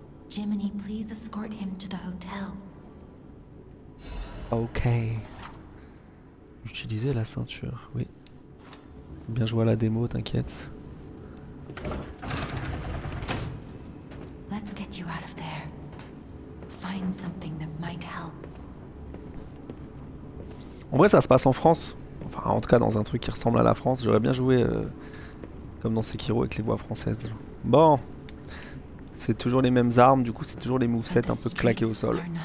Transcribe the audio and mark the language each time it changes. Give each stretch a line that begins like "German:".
English: Jiminy, please escort him to the hotel. Ok.
French: Utiliser la ceinture, oui. Bien joué à la démo, t'inquiète.
English: Let's get you out of there. Find something that might help.
French: En vrai, ça se passe en France. Enfin, en tout cas, dans un truc qui ressemble à la France. J'aurais bien joué comme dans Sekiro avec les voix françaises. Bon. C'est toujours les mêmes armes, du coup, c'est toujours les movesets un peu claqués au sol.